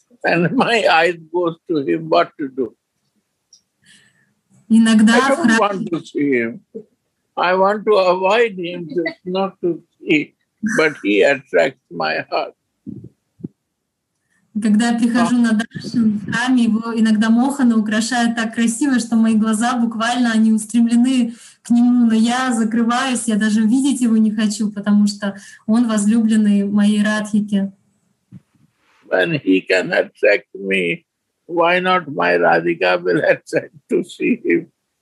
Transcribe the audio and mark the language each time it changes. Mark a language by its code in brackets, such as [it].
[en] And my eyes go to him, what to do? [ru] Иногда [en] I don't want to see him. I want to avoid him, just not to see. But he attracts my heart. [ru] Когда я прихожу на даршан в храме, его иногда мохана украшает так красиво, что мои глаза буквально они устремлены к нему, но я закрываюсь, я даже видеть его не хочу, потому что он возлюбленный моей Радхике. [en] When he can attract me, why not my Radhika will attract to see him?